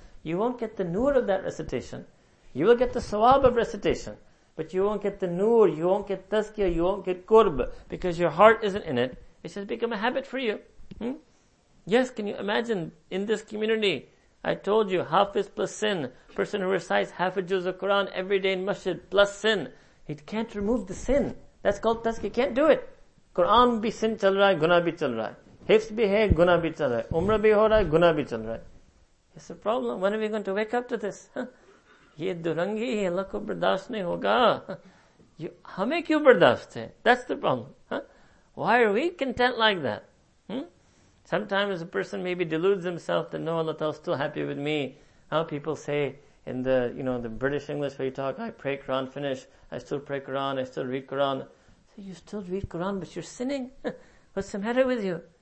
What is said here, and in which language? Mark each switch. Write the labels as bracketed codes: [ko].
[en] You won't get the nur of that recitation. You will get the sawab of recitation, but you won't get the nur, you won't get tazkiyah, you won't get qurb, because your heart isn't in it. It has become a habit for you. Yes, can you imagine in this community, I told you, hafiz plus sin, person who recites half a juz of Quran every day in masjid plus sin, he can't remove the sin. That's called tazkiyah, can't do it. [ur] قرآن بھی سن چل رہا ہے، گنا بھی چل رہا ہے۔ حفظ بھی ہے، گنا بھی چل رہا ہے۔ عمرہ بھی ہو رہا ہے، گنا بھی چل رہا ہے۔ [en] It's a problem. When are we going to wake up to this? [ur] یہ دورنگی ہے، اللہ کو برداشت نہیں ہوگا۔ ہمے کیوں برداشت ہے؟ [en] That's the problem. Why are we content like that? Sometimes a person maybe deludes himself that no, Allah is still happy with me. How people say in the, you know, the British English where you talk, I pray Quran, finish. I still pray Quran. I still read Quran. So you still read Quran, but you're sinning. What's the matter with you?